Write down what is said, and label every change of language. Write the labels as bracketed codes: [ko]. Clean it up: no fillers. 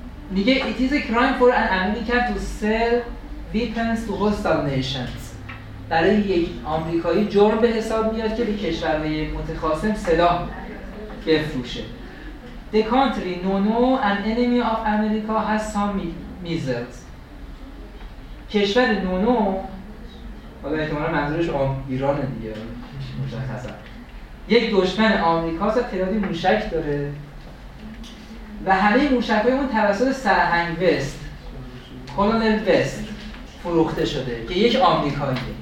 [fa] میگه [en] It is a crime for an American to sell weapons to hostile nations. [fa] برای یک آمریکایی جرم به حساب میاد که به کشورهای متخاصم سلاح بفروشه. [en] The country, no, an enemy of America has some measures. [fa] کشور نونو، حالا احتمالا منظورش ایرانه دیگه، مشخصه. یک دشمن آمریکاست، تعدادی موشک داره و همه موشک‌های اون توسط سرهنگ وست، کلونل وست فروخته شده که یک آمریکاییه.